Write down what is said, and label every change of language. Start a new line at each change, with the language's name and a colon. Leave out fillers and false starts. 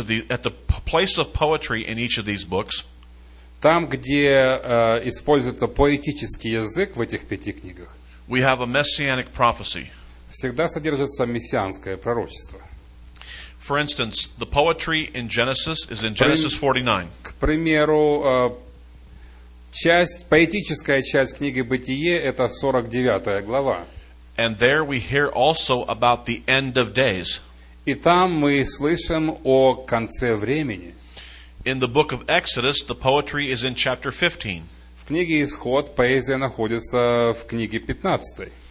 English: At the place of poetry in each of these books.
Russian: Там, где используется поэтический язык в этих пяти книгах,
English: we have a messianic prophecy.
Russian: Всегда содержится мессианское пророчество.
English: For instance, the poetry in Genesis is in Genesis 49.
Russian: К примеру, поэтическая часть книги Бытие – это 49 глава.
English: And there we hear also about the end of days.
Russian: И там мы слышим о конце времени.
English: In the book of Exodus, the poetry is in chapter 15.
Russian: В книге Исход поэзия находится в книге 15.